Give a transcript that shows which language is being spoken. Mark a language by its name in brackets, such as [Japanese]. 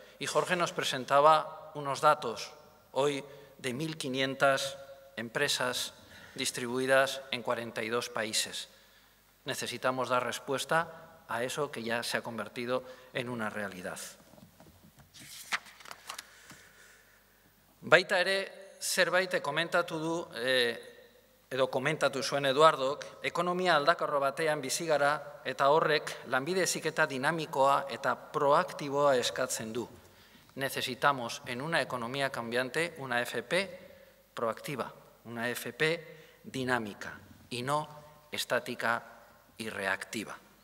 [Spanish] Y Jorge nos presentaba unos datos hoy de 1.500 empresas distribuidas en 42 países. Necesitamos dar respuesta a eso que ya se ha convertido en una realidad. [Basque] Baita ere, zerbait komentatu du, edo komentatu zuen Eduardok, ekonomia aldakarro batean bizi gara eta horrek lanbide heziketa dinamikoa eta proaktiboa eskatzen du. [Spanish] Necesitamos en una economía cambiante una FP proactiva, una FP dinámica y no estática y reactiva.